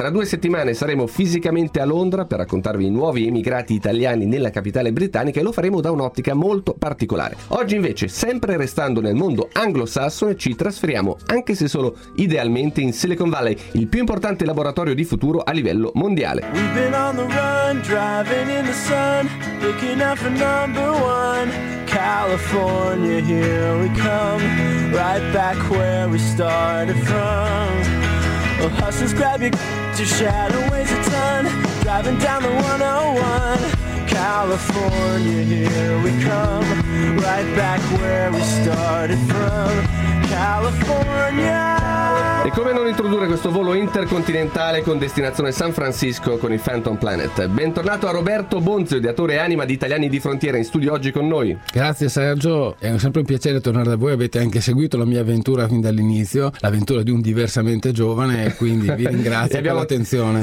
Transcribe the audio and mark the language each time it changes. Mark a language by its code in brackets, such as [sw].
[it] Tra due settimane saremo fisicamente a Londra per raccontarvi i nuovi emigrati italiani nella capitale britannica e lo faremo da un'ottica molto particolare. Oggi invece, sempre restando nel mondo anglosassone, ci trasferiamo, anche se solo idealmente, in Silicon Valley, il più importante laboratorio di futuro a livello mondiale. [en] We've been on the run, driving in the sun, picking up for number one, California, here we come, right back where we started from. Oh, hustlers, grab your your shadow weighs a ton, driving down the 101. California, here we come, right back where we started from. California. [it] E come non introdurre questo volo intercontinentale con destinazione San Francisco con il Phantom Planet? Bentornato a Roberto Bonzio, ideatore e anima di Italiani di Frontiera, in studio oggi con noi. Grazie Sergio, è sempre un piacere tornare da voi, avete anche seguito la mia avventura fin dall'inizio, l'avventura di un diversamente giovane, quindi vi ringrazio per l'attenzione.